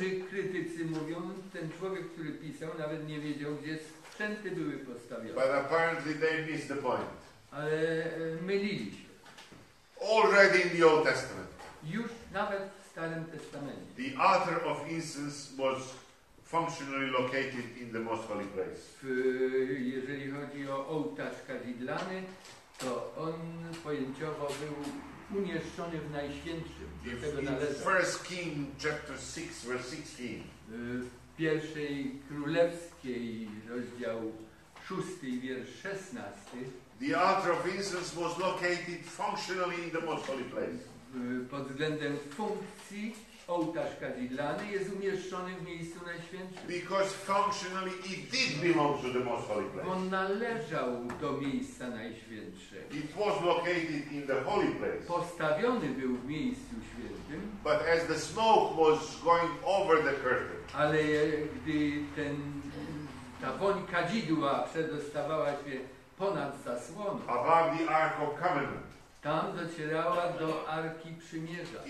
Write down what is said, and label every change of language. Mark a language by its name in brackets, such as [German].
[Polish] Niektórzy krytycy mówią, ten człowiek, który pisał, nawet nie wiedział, gdzie sprzęty były postawione. [English] But apparently they missed the point. [Polish] Ale mylili się. [English] Already in the Old Testament. [Polish] Już nawet w Starym Testamencie. [English] The altar of incense was functionally located in the most holy place. [Polish] Jeżeli chodzi o ołtarz kadzidlany, to on pojęciowo był umieszczony w najświętszym, do tego należał. [English] First King chapter 6 verse 16. [Polish] W pierwszej królewskiej rozdział 6 wiersz 16. [English] The altar of incense was located functionally in the most holy place. [Polish] Pod względem funkcji ołtarz kadzidlany jest umieszczony w miejscu najświętszym. [English] Because functionally it did belong to the most holy place. [Polish] On należał do miejsca najświętszego. [English] It was located in the holy place. [Polish] Postawiony był w miejscu świętym. [English] But as the smoke was going over the curtain. [Polish] Ale gdy ta woń kadzidła przedostawała się ponad zasłonę. [English] Above the Ark of Covenant. [Polish] Tam docierała do Arki Przymierza.